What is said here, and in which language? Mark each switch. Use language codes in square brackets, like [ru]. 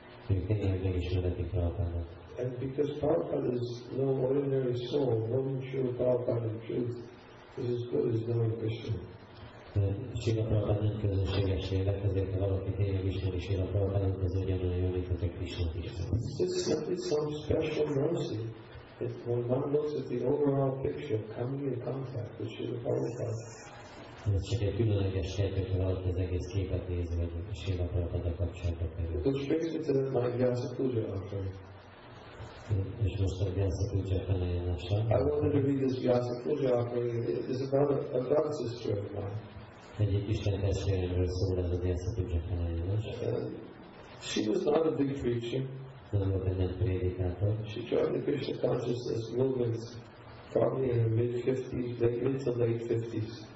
[hu] Ők tényleg megismerhetik Prabhupádat. [en] And because Prabhupada is no ordinary soul, knowing Srila Prabhupada in truth is as good as knowing Krishna. [hu] Srila Prabhupada nem közönséges lélek, ezért ha valaki tényleg ismeri Srila Prabhupádat, az ugyanúgy jön, mint az a Krisnát is. [en] This is simply some special mercy. If one looks at the overall picture, coming in contact with Srila Prabhupada. [hu] Ez csak egy különleges kérdés, ha valaki az egész képet nézi, hogy Srila Prabhupada kapcsolatba kerül. [en] Which brings me to the Vyasa Puja offering. [hu] És most a Vyasa Puja felajánlása. [en] I wanted to read this Vyasa Puja offering. It is about a sister of mine. [hu] Egyik Isten testvéremről szól ez a Vyasa Puja felajánlás. [en] She was not a big preacher. [hu] Nem volt egy nagy prédikátor. [en] She joined the Krishna consciousness movement probably in her mid-50s, mid to late-50s.